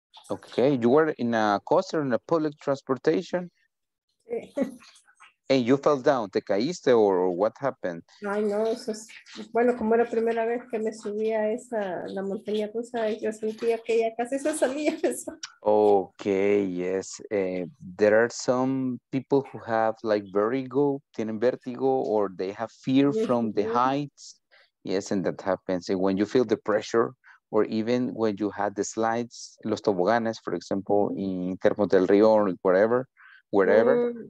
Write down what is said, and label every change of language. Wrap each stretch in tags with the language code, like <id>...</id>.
<en>Okay, you were in a coaster in a public transportation?</en> <es>Sí.</es> <en>And you fell down,</en> <es>te caíste</es> <en>or what happened?</en> <es>Ay, no, eso es, bueno, como era la primera vez que me subía esa la montaña rusa, yo sentía que ya casi se salía eso.</es> <en>Okay, yes. There are some people who have like vertigo,</en> <es>tienen vértigo</es> <en>or they have fear from the heights. Yes, and that happens. And when you feel the pressure or even when you had the slides,</en> <es>los toboganes,</es> <en>for example, in Termo del Río or whatever, wherever.</en>